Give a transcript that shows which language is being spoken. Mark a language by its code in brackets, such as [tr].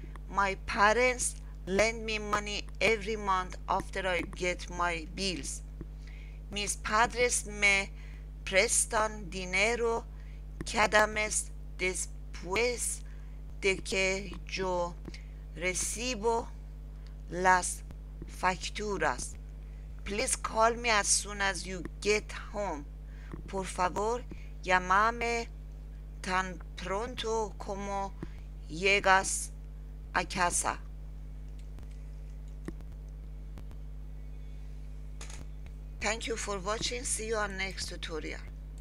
[en] My parents lend me money every month after I get my bills. [es] Mis padres me prestan dinero cada mes después de que yo recibo las facturas. [en] Please call me as soon as you get home. [es] Por favor, llámame tan pronto como llegas a casa. [en] Thank you for watching. See you on next tutorial.